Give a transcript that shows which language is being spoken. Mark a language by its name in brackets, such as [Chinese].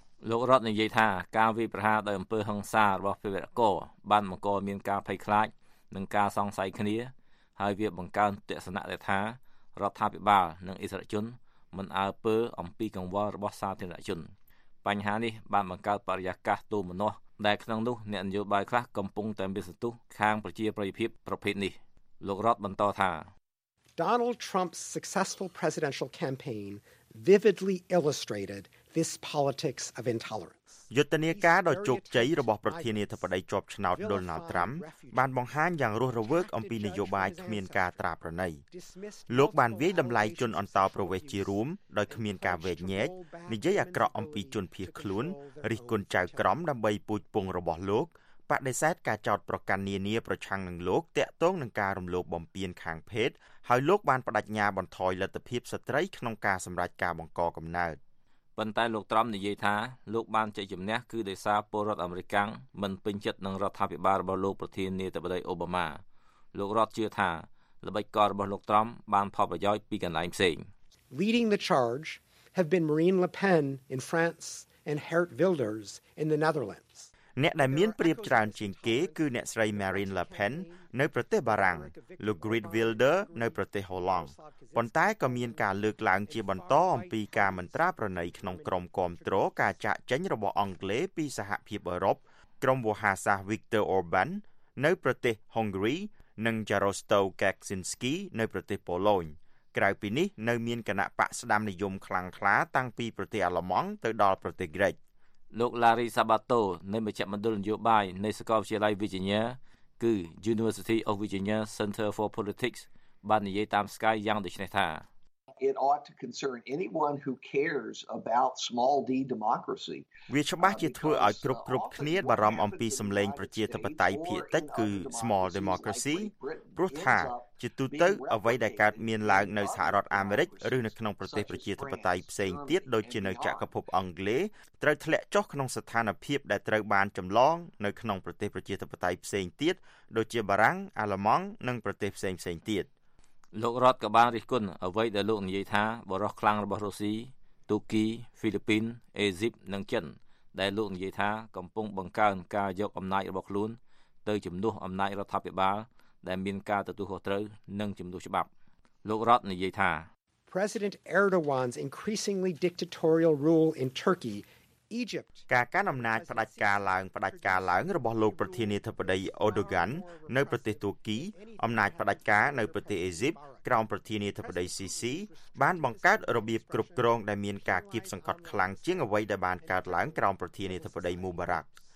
[Khmer] លោករដ្ឋនិយាយថាការវាយប្រហារដោយអំពើហិង្សារបស់ភេរវកបានបង្កមានការភ័យខ្លាចនិងការសង្ស័យគ្នាហើយវាបង្កើនទស្សនៈដែលថារដ្ឋាភិបាលនិងអិសរាជជនមិនអើពើអំពីកង្វល់របស់សាធារណជនបញ្ហានេះបានបង្កើតបរិយាកាសទូមនោះដែលក្នុងនោះអ្នកនយោបាយខ្លះកំពុងតែមានសន្ទុះខាងប្រជាប្រិយភាពប្រភេទនេះលោករដ្ឋបន្តថា [English] Donald Trump's successful presidential campaign vividly illustrated this politics of intolerance. [Khmer] យុទ្ធនាការដ៏ជោគជ័យរបស់ប្រធានាធិបតីជាប់ឆ្នោត Donald Trump បានបង្ហាញយ៉ាងរស់រវើកអំពីនយោបាយគ្មានការត្រាប្រណី។លោកបានវាយតម្លៃជនអន្តោប្រវេសន៍ជារួមដោយគ្មានការវែងញែកនិយាយអាក្រក់អំពីជនភៀសខ្លួនរិះគន់ចៅក្រមដើម្បីពូជពង្សរបស់លោកបដិសេធការចោទប្រកាន់នានាប្រឆាំងនឹងលោកតាក់ទងនឹងការរំលោភបំពានខាងភេទហើយលោកបានបដិញ្ញាបន្ថយលទ្ធភាពស្ត្រីក្នុងការសម្រេចការបង្កកំណើត ប៉ុន្តែលោកត្រាំនិយាយថាលោកបានចេញជំនះគឺដោយសារពលរដ្ឋអាមេរិកមិនពេញចិត្តនឹងរដ្ឋាភិបាលរបស់លោកប្រធានាធិបតីអូបាម៉ាលោករដ្ឋជឿថាល្បិចកលរបស់លោកត្រាំបានផលប្រយោជន៍ពីកន្លែងផ្សេង [English] Leading the charge have been Marine Le Pen in France and Geert Wilders in the Netherlands [Khmer] អ្នកដែលមានប្រៀបច្រើនជាងគេគឺអ្នកស្រី Marine Le Pen នៅប្រទេសបារាំងលោក Geert Wilders នៅប្រទេសហូឡង់ប៉ុន្តែក៏មានការលើកឡើងជាបន្តអំពីការមិនត្រាប្រណីក្នុងក្រុមគាំទ្រការចាក់ចេញរបស់អង់គ្លេសពីសហភាពអឺរ៉ុបក្រុមវោហារសាស្ត្រ Viktor Orbán នៅប្រទេស Hungary និង Jarosław Kaczynski នៅប្រទេសប៉ូឡូញក្រៅពីនេះនៅមានគណៈបក្សស្ដាំនិយមខ្លាំងក្លាតាំងពីប្រទេសអាល្លឺម៉ង់ទៅដល់ប្រទេសក្រិច លោក Larry Sabato នៃមជ្ឈមណ្ឌលនយោបាយនៃសាកលវិទ្យាល័យ Virginia គឺ University of Virginia Center for Politics បាននិយាយតាម Sky យ៉ាងដូចនេះថា [English] It ought to concern anyone who cares about small d democracy [Khmer] វាច្បាស់ជាធ្វើឲ្យគ្រប់គ្នាបារម្ភអំពីសម្លេងប្រជាធិបតេយ្យភាគតិចគឺ small democracy ព្រោះថាជាទូទៅអ្វីដែលកើតមានឡើងនៅសហរដ្ឋអាមេរិកឬនៅក្នុងប្រទេសប្រជាធិបតេយ្យផ្សេងទៀតដូចជានៅចក្រភពអង់គ្លេសត្រូវធ្លាក់ចុះក្នុងស្ថានភាពដែលត្រូវបានចម្លងនៅក្នុងប្រទេសប្រជាធិបតេយ្យផ្សេងទៀតដូចជាបារាំងអាល្លឺម៉ង់និងប្រទេសផ្សេងទៀត លោករដ្ឋក៏បានរិះគន់អ្វីដែលលោកនិយាយថាបរិសខ្លាំងរបស់រុស្ស៊ីទូគីហ្វីលីពីនអេស៊ីបនិងចិនដែលលោកនិយាយថាកំពុងបង្កើនការយកអំណាចរបស់ខ្លួនទៅជំនួសអំណាចរដ្ឋាភិបាលដែលមានការទទួលខុសត្រូវនិងជំនួសច្បាប់លោករដ្ឋនិយាយថា [English] President Erdogan's increasingly dictatorial rule in Turkey Egypt [Khmer] ការកាន់អំណាចផ្ដាច់ការឡើងរបស់លោកប្រធានាធិបតីអូដូហ្គាននៅប្រទេសទួរគីអំណាចផ្ដាច់ការនៅប្រទេសអេស៊ីបក្រោមប្រធានាធិបតីស៊ីស៊ីបានបង្កើតរបៀបគ្រប់គ្រងដែលមានការគៀបសង្កត់ខ្លាំងជាងអ្វីដែលបានកើតឡើងក្រោមប្រធានាធិបតីមូបារ៉ាក់